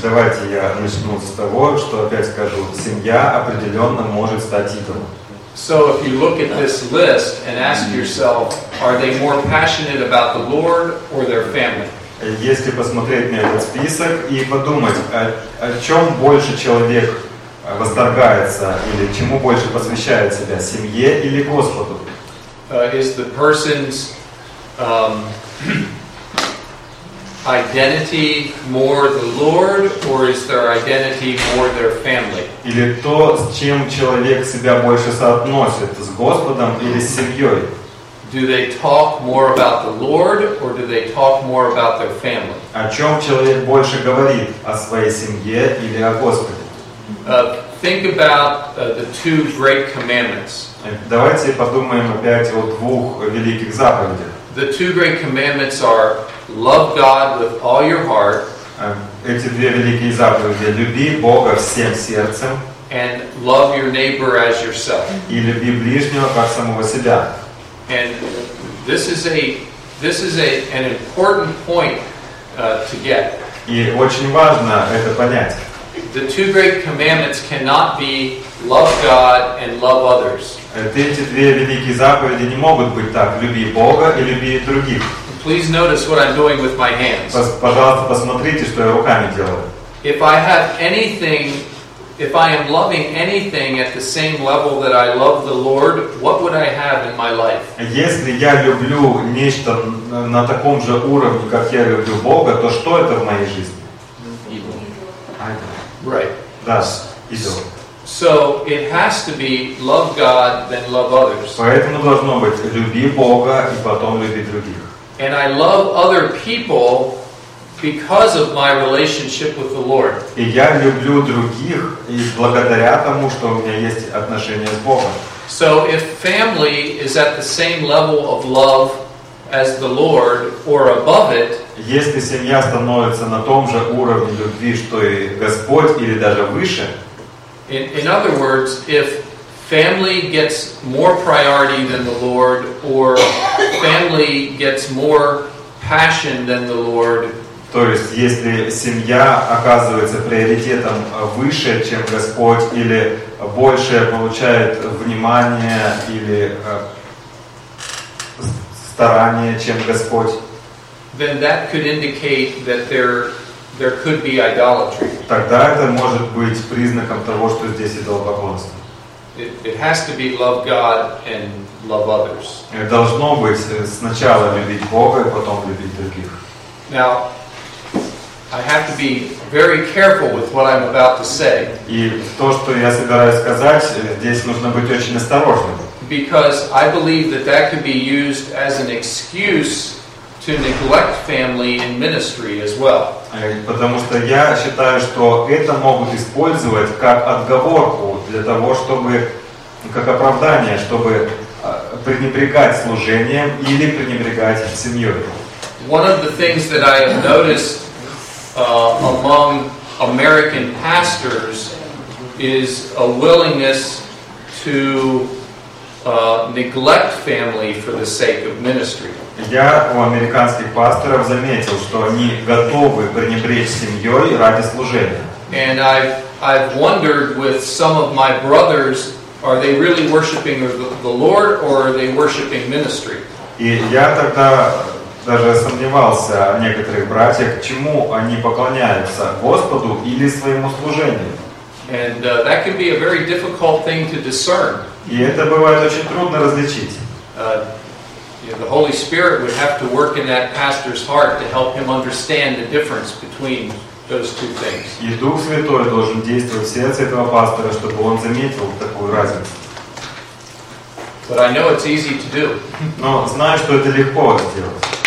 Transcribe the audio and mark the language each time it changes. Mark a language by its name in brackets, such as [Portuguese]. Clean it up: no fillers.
[Russian] Давайте я начну с того, что опять скажу, семья определенно может стать идолом. [English] So if you look at this list and ask yourself, are they more passionate about the Lord or their family? [Russian] Если посмотреть на этот список и подумать, о чем больше человек восторгается или чему больше посвящает себя, семье или Господу? [English] Is the person's identity more the Lord, or is their identity more their family? [Russian] Или то, с чем человек себя больше соотносит, с Господом или с семьей? [English] Do they talk more about the Lord, or do they talk more about their family? [Russian] О чем человек больше говорит, о своей семье или о Господе? [English] Think about the two great commandments. [Russian] Давайте подумаем опять о двух великих заповедях. [English] The two great commandments are love God with all your heart. [Russian] Эти две великие заповеди: люби Бога всем сердцем. [English] And love your neighbor as yourself. [Russian] И люби ближнего как самого себя. [English] And this is an important point to get. [Russian] И очень важно это понять. [English] The two great commandments cannot be love God and love others. [Russian] Эти две великие заповеди не могут быть так: люби Бога и люби других. [English] Please notice what I'm doing with my hands. [Russian] Пожалуйста, посмотрите, что я руками делаю. [English] If I have anything, if I am loving anything at the same level that I love the Lord, what would I have in my life? [Russian] Если я люблю нечто на таком же уровне, как я люблю Бога, то что это в моей жизни? [English] Right. Thus, idol. So it has to be love God, then love others. [Russian] Поэтому должно быть люби Бога и потом люби других. [English] And I love other people because of my relationship with the Lord. [Russian] И я люблю других и благодаря тому, что у меня есть отношения с Богом. [English] So if family is at the same level of love as the Lord or above it. [Russian] Если семья становится на том же уровне любви, что и Господь, или даже выше. [English] In other words, if family gets more priority than the Lord, or family gets more passion than the Lord. [Russian] То есть, если семья оказывается приоритетом выше, чем Господь, или больше получает внимание или старание, чем Господь. [English] Then that could indicate that there could be idolatry. [Russian] Тогда это может быть признаком того, что здесь идолопоклонство. [English] It has to be love God and love others. [Russian] Это должно быть сначала любить Бога и потом любить других. [English] Now, I have to be very careful with what I'm about to say. [Russian] И то, что я собираюсь сказать, здесь нужно быть очень осторожным. [English] Because I believe that could be used as an excuse to neglect family and ministry as well. [Russian] Потому что я считаю, что это могут использовать как отговорку для того, чтобы как оправдание, чтобы пренебрегать служением или пренебрегать семьей. [English] One of the things that I have noticed among American pastors is a willingness to neglect family for the sake of ministry. [Russian] Я у американских пасторов заметил, что они готовы пренебречь семьей ради служения. [English] And I've wondered with some of my brothers, are they really worshiping the Lord or are they worshiping ministry? [Russian] И я тогда даже сомневался в некоторых братьях, чему они поклоняются, Господу или своему служению. [English] And that can be a very difficult thing to discern. [Russian] И это бывает очень трудно различить. [English] The Holy Spirit would have to work in that pastor's heart to help him understand the difference between those two things. [Russian] И Дух Святой должен действовать в сердце этого пастора, чтобы он заметил такую разницу. [English] But I know it's easy to do. [Russian] Но знаю, что это легко сделать.